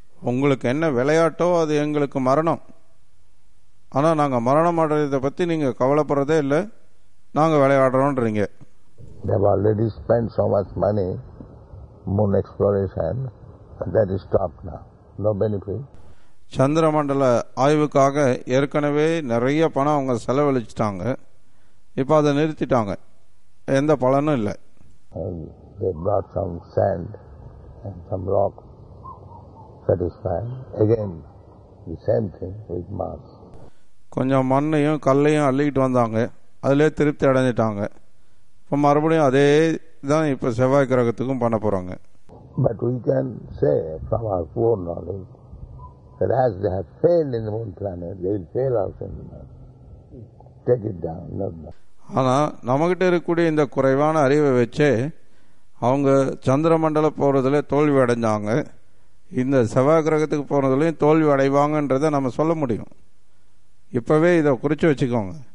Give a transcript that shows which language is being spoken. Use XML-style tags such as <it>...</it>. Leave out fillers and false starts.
<ta>உங்களுக்கு என்ன விளையாட்டோ அது எங்களுக்கு மரணம். ஆனா நாங்க மரணம் அடைறத பத்தி நீங்க கவலைப்படுறதே இல்ல, நாங்க விளையாடுறோம்ன்றீங்க.</ta> <en>They have already spent so much money, moon exploration, that is stopped now. No benefit.</en> <ta>சந்திர மண்டல ஆய்வுக்காக ஏற்கனவே நிறைய பணம் அவங்க செலவழிச்சிட்டாங்க, இப்ப அதை நிறுத்திட்டாங்க, எந்த பலனும் இல்ல.</ta> <en>They brought some sand. And some rock satisfied. Again, the same thing with Mars.</en> <ta>கொஞ்சம் மண்ணையும் கல்லையும் அள்ளிக்கிட்டு வந்தாங்க, அதிலே திருப்தி அடைஞ்சிட்டாங்க. இப்போ மறுபடியும் அதே தான் இப்போ செவ்வாய் கிரகத்துக்கும் பண்ண போகிறாங்க.</ta> <en>But we can say from our poor knowledge that as they have failed in the moon planet, they will fail also in the moon. Take it down. No, no.</en> <ta>ஆனா நமக்கிட்ட இருக்கக்கூடிய இந்த குறைவான அறிவை வச்சே அவங்க சந்திர மண்டல போறதுல தோல்வி அடைஞ்சாங்க, இந்த செவ்வாய் கிரகத்துக்கு போறதுலயும் தோல்வி அடைவாங்கன்றத நம்ம சொல்ல முடியும். இப்பவே இத குறிச்சு வச்சுக்கோங்க.</ta>